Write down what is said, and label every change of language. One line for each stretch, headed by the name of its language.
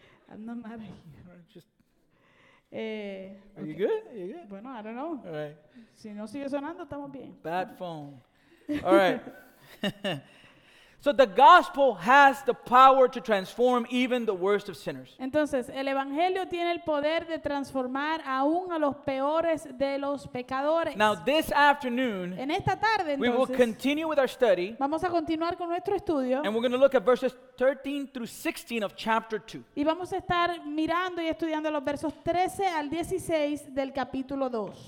English: I'm not mad at you. Just. Are you good? Are you good?
Spanish: Bueno,
English: I don't know. All right.
Spanish: Si no sigue sonando, estamos bien.
English: Bad phone. All right. So the gospel has the power to transform even the worst of sinners.
Spanish: Entonces, el evangelio tiene el poder de transformar aún a los peores de los pecadores.
English: Now this afternoon,
Spanish: en esta tarde, entonces,
English: we will continue with our study.
Spanish: Vamos a continuar con nuestro estudio.
English: And we're going to look at verses 13 through 16 of chapter 2.
Spanish: Y vamos a estar mirando y estudiando los versos 13 al 16 del capítulo 2.